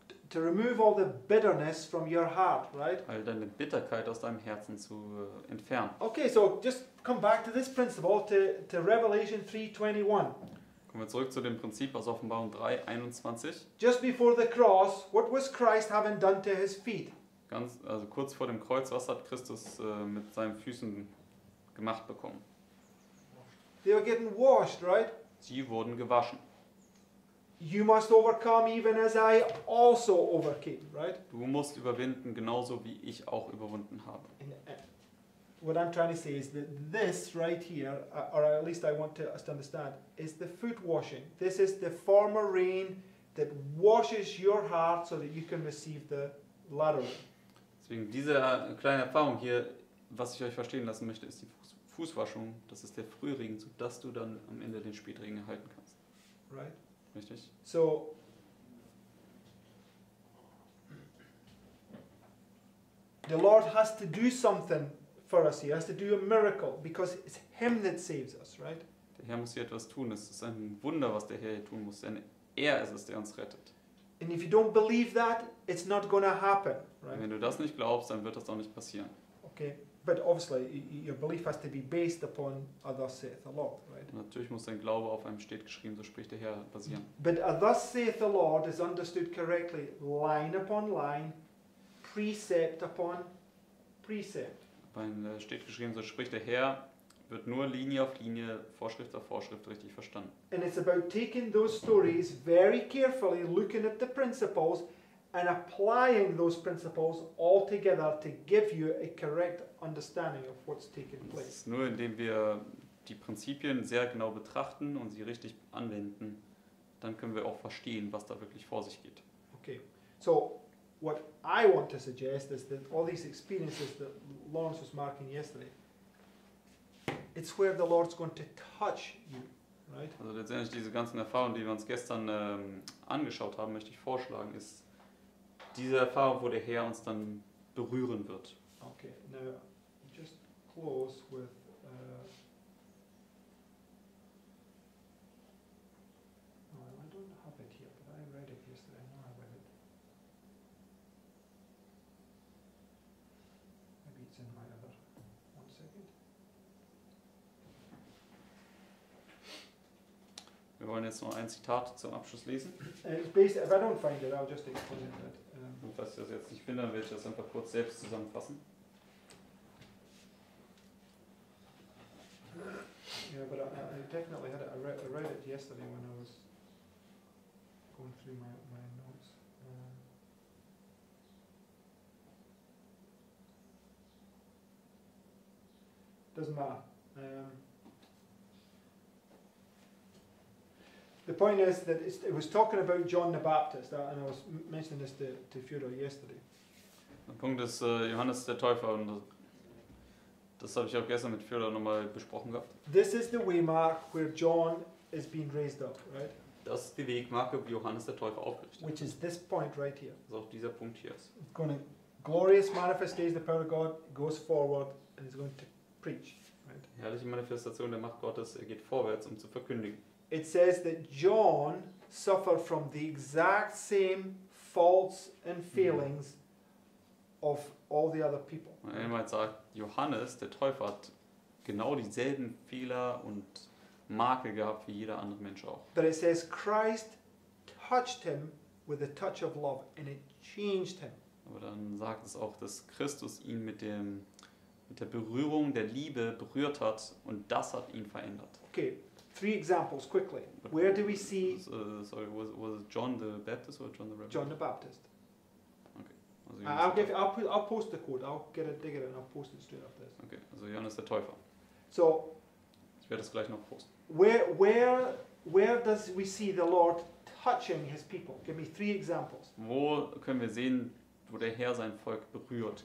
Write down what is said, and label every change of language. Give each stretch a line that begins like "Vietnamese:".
English: To remove all the bitterness from your heart, right?
German: All deine Bitterkeit aus deinem Herzen zu entfernen.
English: Okay, so just come back to this principle, to Revelation 3:21.
German: Kommen wir zurück zu dem Prinzip aus Offenbarung 3:21.
English: Just before the cross, what was Christ having done to his feet?
German: Ganz, also kurz vor dem Kreuz, was hat Christus mit seinen Füßen gemacht bekommen?
English: They were getting washed, right?
German: Sie wurden gewaschen.
English: You must overcome even as I also overcame, right?
German: Du musst überwinden, genauso wie ich auch überwunden habe.
English: What I'm trying to say is that this right here, or at least I want us to understand, is the foot washing. This is the former rain that washes your heart so that you can receive the latter.
German: Deswegen diese kleine Erfahrung hier, was ich euch verstehen lassen möchte, ist die Fußwaschung, das ist der Frühregen, sodass du dann am Ende den Spätregen erhalten kannst.
English: Right.
German: Richtig.
English: So, the Lord has to do something for us. He has to do a miracle, because it's Him that saves us, right?
German: Der Herr muss hier etwas tun. Es ist ein Wunder, was der Herr hier tun muss. Denn er ist es, der uns rettet.
English: And if you don't believe that, it's not going to happen, right?
German: Wenn du das nicht glaubst, dann wird das auch nicht passieren.
English: Okay. But obviously, your belief has to be based upon "Thus saith the Lord," right?
German: Natürlich muss dein Glaube auf einem steht geschrieben, so spricht der Herr, basieren.
English: But "Thus saith the Lord" is understood correctly, line upon line, precept upon precept.
German: Beim steht geschrieben, so spricht der Herr, wird nur Linie auf Linie, Vorschrift auf Vorschrift richtig verstanden.
English: And it's about taking those stories very carefully, looking at the principles, and applying those principles all together to give you a correct understanding of what's taking place.
German: Nur indem wir die Prinzipien sehr genau betrachten und sie richtig anwenden, dann können wir auch verstehen, was da wirklich vor sich geht.
English: Okay. So what I want to suggest is that all these experiences that Lawrence was marking yesterday, it's where the Lord's going to touch you, right?
German: Also letztendlich diese ganzen Erfahrungen, die wir uns gestern angeschaut haben, möchte ich vorschlagen, ist diese Erfahrung, wo der Herr uns dann berühren wird.
English: Okay, now just close with I don't have it here, but I read it yesterday. I know I read it. Maybe it's in my other. One second.
German: Wir wollen jetzt noch ein Zitat zum Abschluss lesen.
English: If I don't find it, I'll just explain it.
German: Und falls ich das jetzt nicht finde, dann werde ich das einfach kurz selbst zusammenfassen.
English: Ja, yeah, but I definitely had it. I read it yesterday when I was going through my notes. Doesn't matter. The point is that it was talking about John the Baptist, and I was mentioning this to Fyodor yesterday.
German: Der Punkt ist Johannes der Täufer, und das habe ich auch gestern mit Fyodor nochmal besprochen gehabt.
English: This is the way mark where John is being raised up, right?
German: Das ist die Wegmarke, wie Johannes der Täufer aufgerichtet wird.
English: Which is this point right here.
German: Das ist auch dieser Punkt hier.
English: Going to glorious manifestation, the power of God goes forward and is going to preach. Right?
German: Die herrliche Manifestation der Macht Gottes, er geht vorwärts, um zu verkündigen.
English: It says that John suffered from the exact same faults and failings of all the other people.
German: Und jemand sagt, Johannes, der Täufer, hat genau dieselben Fehler und Makel gehabt wie jeder andere Mensch auch.
English: But it says Christ touched him with a touch of love and it changed him.
German: Aber dann sagt es auch, dass Christus ihn mit der Berührung der Liebe berührt hat und das hat ihn verändert.
English: Okay. three examples quickly. But where do we see? Was it John the Baptist or John the Rebbe? John the Baptist. Okay. Also I'll post the quote. I'll get it, dig it, and I'll post it straight after this.
German: Okay. Also Johannes der Täufer.
English: So.
German: Ich werde das gleich noch posten.
English: Where does we see the Lord touching his people? Give me three examples.
German: Wo können wir sehen, wo der Herr sein Volk berührt?